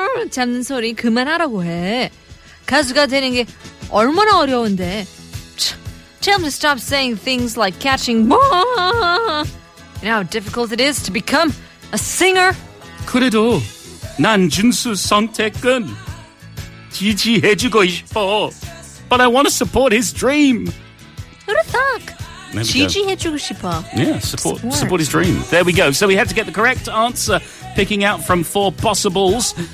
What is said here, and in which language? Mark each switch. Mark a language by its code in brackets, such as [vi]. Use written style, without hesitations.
[ko] 잡는 소리 그만하라고 해. 가수가 되는 게 얼마나 어려운데. [en] Tell him to stop saying things like catching. You know how difficult it is to become a singer. [ko] 그래도 난 준수 선택은 지지해주고 싶어. [en] But I want to support his dream. What a thug. [ko] 지지해주고 싶어. [en] Yeah, support his dream. There we go. So we had to get the correct answer, picking out from four possibles.